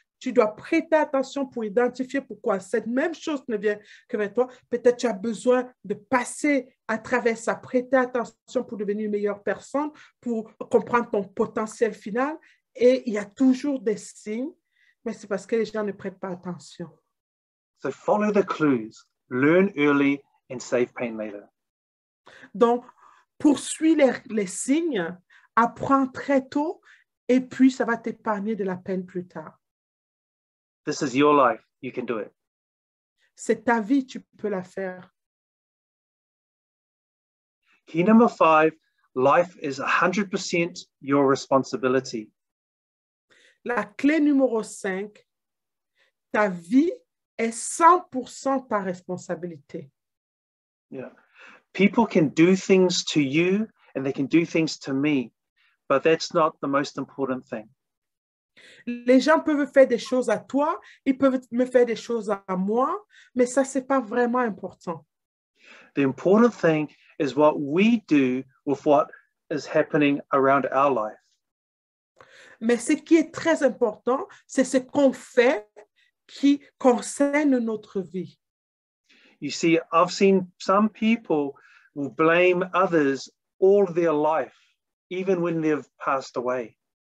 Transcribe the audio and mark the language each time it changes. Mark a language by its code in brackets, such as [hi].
[fr] Tu dois prêter attention pour identifier pourquoi cette même chose ne vient que vers toi. Peut-être tu as besoin de passer à travers ça, prêter attention pour devenir une meilleure personne, pour comprendre ton potentiel final. Et il y a toujours des signes, mais c'est parce que les gens ne prêtent pas attention. [en] So follow the clues, learn early and save pain later. [fr] Donc, poursuis les signes, apprends très tôt et puis ça va t'épargner de la peine plus tard. [en] This is your life. You can do it. [fr] C'est ta vie, tu peux la faire. [en] Key number five, life is 100% your responsibility. [fr] La clé numéro 5, ta vie est 100% ta responsabilité. [en] Yeah. People can do things to you and they can do things to me, but that's not the most important thing. [fr] Les gens peuvent faire des choses à toi, ils peuvent me faire des choses à moi, mais ça, ce n'est pas vraiment important. [en] The important thing is what we do with what is happening around our life. [fr] Mais ce qui est très important, c'est ce qu'on fait qui concerne notre vie. [en] You see, I've seen some people who blame others all their life, even when they've passed away.